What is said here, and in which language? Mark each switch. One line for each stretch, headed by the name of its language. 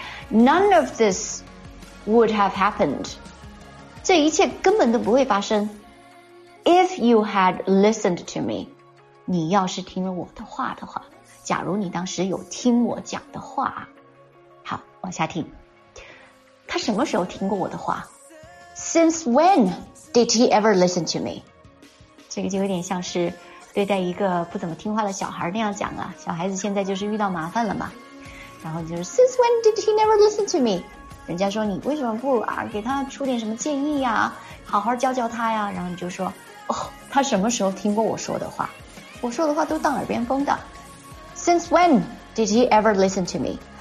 English: None of this would have happened，这一切根本都不会发生。
Chinese: If you had listened to me，你要是听了我的话的话，假如你当时有听我讲的话。好，往下听。他什么时候听过我的话？
English: Since when did he ever listen to me？
Chinese: 这个就有点像是对待一个不怎么听话的小孩那样讲啊，小孩子现在就是遇到麻烦了嘛，然后就是 Since when did he never listen to me？人家说你为什么不啊给他出点什么建议呀，好好教教他呀，然后你就说哦，他什么时候听过我说的话，我说的话都当耳边风的。
English: Since when did he ever listen to me？